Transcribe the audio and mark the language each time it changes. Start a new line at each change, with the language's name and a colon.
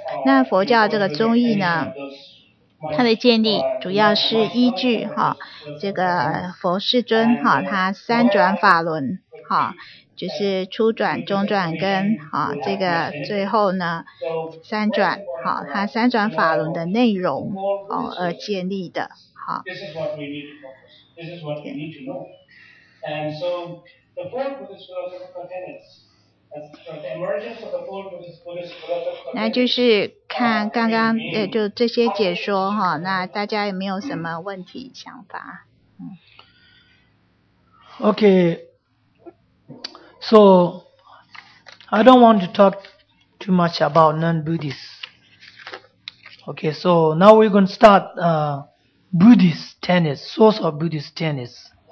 Chinese: 那佛教这个中医呢，它的建立主要是依据哈这个佛世尊哈他三转法轮哈。就是初转、中转跟这个最后呢三转它三转法轮的内容而建立的好。
English: This is what we need to focus. This is what we need to know. And so the four Buddhist philosophical tenets, the emergence of the four Buddhist philosophical tenets.
Chinese: 那就是看刚刚就这些解说那大家有没有什么问题想法
English: Okay. So, I don't want to talk too much about non-Buddhists. Okay, so now we're going to start Buddhist tenets, source of Buddhist tenets.